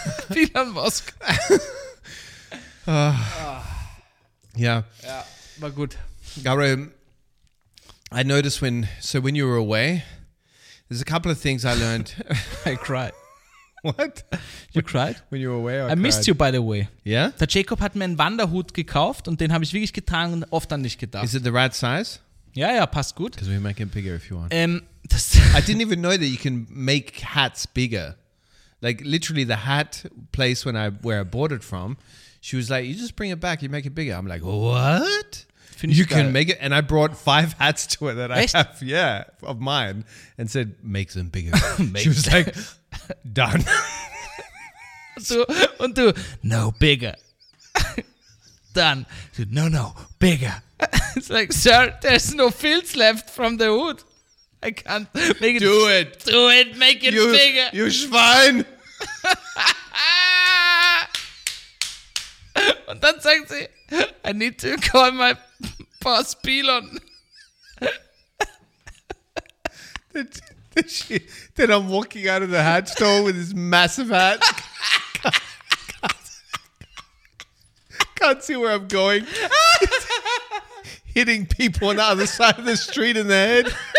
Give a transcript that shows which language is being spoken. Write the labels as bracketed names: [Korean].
[English] Elon Musk. Yeah. Yeah, but good. Gary, I noticed when you were away, there's a couple of things I learned. I cried. What? You cried? When you were away, I missed you, by the way. Yeah? [German] Der Jacob hat mir einen Wanderhut gekauft und den habe ich wirklich getragen und oft an dich gedacht. [English] Is it the right size? [German] Ja, ja, passt gut. [English] Because we make it bigger if you want. [German] Das [English] I didn't even know that you can make hats bigger. like literally the hat place when I where I bought it from, she was like, you just bring it back, you make it bigger. I'm like, what? You can make it. And I brought 5 hats to her that I have, yeah, of mine, and said, make them bigger. She was like, done. [German] Und du, [English] no, bigger. Done. So, no, bigger. It's like, sir, there's no fields left from the hood. I can't make it. Do it. Do it. Make it bigger. You Schwein. [German] Und dann sagt sie, [English] I need to call my boss Pilon. Then I'm walking out of the hat store with this massive hat. Can't see where I'm going. Hitting people on the other side of the street in the head.